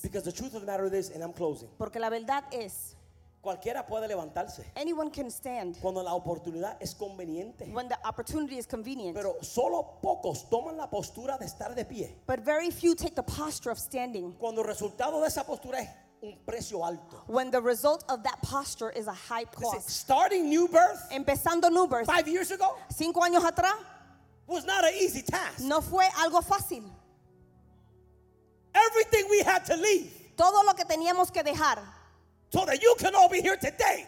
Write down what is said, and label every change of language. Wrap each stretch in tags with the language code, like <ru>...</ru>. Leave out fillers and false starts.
<en>Because the truth of the matter is, and I'm closing.</en> <es>Porque la verdad es. Cualquiera puede levantarse.</es> <en>Anyone can stand.</en> <es>Cuando la oportunidad es conveniente.</es> <en>When the opportunity is convenient.</en> <es>Pero solo pocos toman la postura de estar de pie.</es> <en>But very few take the posture of standing.</en> <es>Cuando el resultado de esa postura es un precio alto.</es> <en>When the result of that posture is a high cost. Listen, starting new birth.</en> <es>Empezando new birth.</es> <en>5 years ago.</en> <es>5 años atrás.</es> <en>Was not an easy task.</en> <es>No fue algo fácil.</es> <en>Everything we had to leave.</en> <es>Todo lo que teníamos que dejar.</es> <en>So that you can all be here today.</en>